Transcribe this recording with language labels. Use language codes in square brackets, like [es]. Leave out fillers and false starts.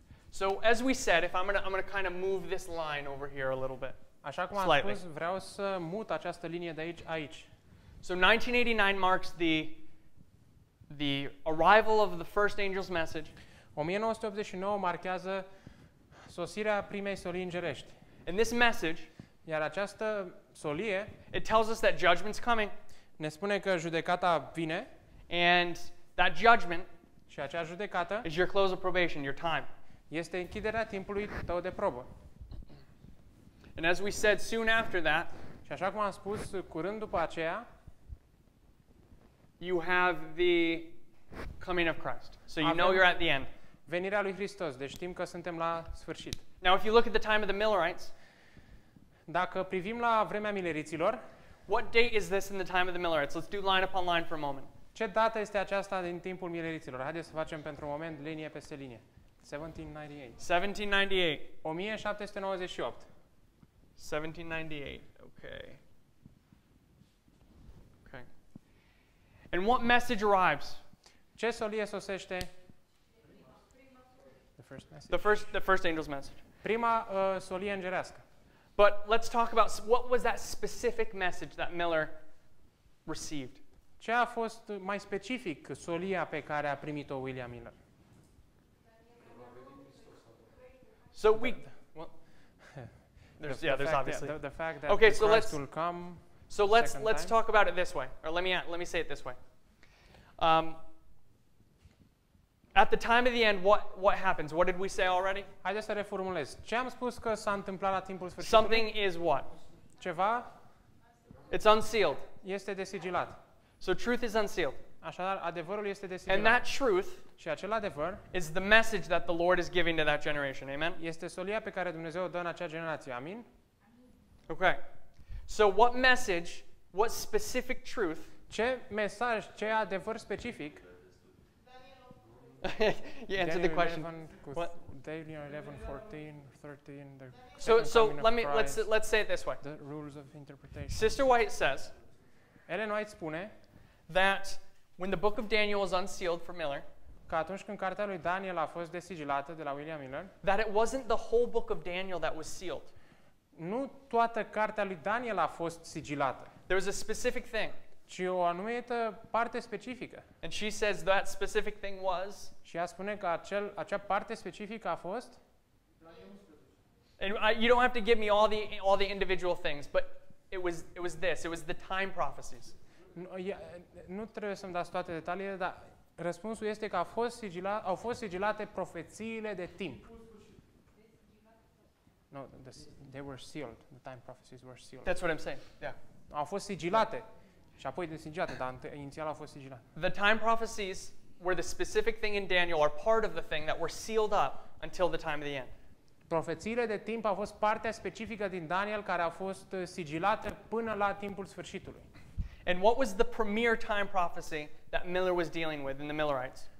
[en] So as we said, if I'm gonna kind of move this line over here a little bit. [ro] Așa cum am spus, vreau să mut această linie de aici aici. [en] So 1989 marks the arrival of the first angel's message. [ro] 1989 marchează sosirea primei solii îngerești. [en] And this message, [ro] iar această solie, [en] it tells us that judgment's coming. [ro] Ne spune că judecata vine. [en] And that judgment, [ro] și acea judecată, [en] is your close of probation, your time. [ro] Este închiderea timpului tău de probă. [en] And as we said soon after that, [ro] și așa cum am spus, curând după aceea, [en] you have the coming of Christ. So you know you're at the end. [ro] Venirea lui Hristos, deci știm că suntem la sfârșit. [en] Now if you look at the time of the Millerites, [ro] dacă privim la vremea mileriților, [en] what date is this in the time of the Millerites? Let's do line upon line for a moment. [ro] Ce dată este aceasta din timpul mileriților? Haideți să facem pentru un moment linie peste linie. 1798. [en] 1798. [ro] 1798. [en] 1798. Okay. Okay. And what message arrives? [ro] Ce solie sosește? [en] The first angel's message. [ro] Prima solie îngerească. [en] But let's talk about what was that specific message that Miller received. [ro] Ce a fost mai specific solia pe care a primit-o William Miller? [en] So we there's obviously the fact that Christ will come. So let's talk about it this way, or let me say it this way. At the time of the end, what happens? What did we say already? [ro] Haideți să reformulez. Ce am spus că s-a întâmplat la timpul sfârșitului? [en] Something is what? [ro] Ceva? [en] It's unsealed. [ro] Este desigilat. [en] So truth is unsealed. [ro] Așadar, adevărul este desigilat. [en] And that truth, [ro] și acel adevăr, [en] is the message that the Lord is giving to that generation. Amen? [ro] Este solia pe care Dumnezeu o dă în acea generație. Amin? [en] Okay. So what message, what specific truth? [ro] Ce mesaj, ce adevăr specific? [en] You answered the question. 11, what? Daniel 11, 14, 13. The so let me let's say it this way. The rules of interpretation. Sister White says, [ro] Ellen White spune, [en] that when the book of Daniel was unsealed for Miller, [ro] că atunci când cartea lui Daniel a fost desigilată de la William Miller, [en] that it wasn't the whole book of Daniel that was sealed. [ro] Nu toată cartea lui Daniel a fost sigilată. [en] There was a specific thing. [ro] Ci o anumită parte specifică. [en] And she says that specific thing was. [ro] Și ea spune că acea parte specifică a fost. [en] And you don't have to give me all the individual things, but it was this. It was the time prophecies. [ro] Nu trebuie să-mi dați toate detaliile, dar răspunsul este că au fost sigilate profețiile de timp. [en] No, they were sealed. The time prophecies were sealed. That's what I'm saying. Yeah. [ro] Au fost sigilate. Și apoi desigilate, dar inițial au fost sigilate. [en] The time prophecies were the specific thing in Daniel or part of the thing that were sealed up until the time of the end. [ro] Profețiile de timp au fost partea specifică din Daniel care au fost sigilate până la timpul sfârșitului. [en] And what was the premier time prophecy that Miller was dealing with in the Millerites?